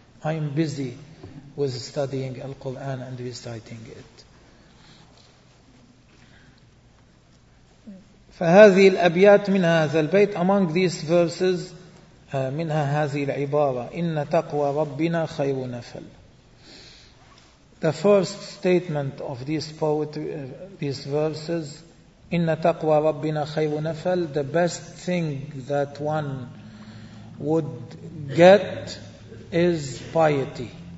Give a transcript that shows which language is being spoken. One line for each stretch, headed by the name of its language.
English: I'm busy with studying Al-Quran and reciting it.
Arabic: فهذه الأبيات من هذا البيت.
English: Among these verses
Arabic: منها هذه العبارة إن تقوى ربنا خير نفل.
English: The first statement of these poetry, these verses,
Arabic: إن تقوى ربنا خير نفل.
English: The best thing that one would get is piety.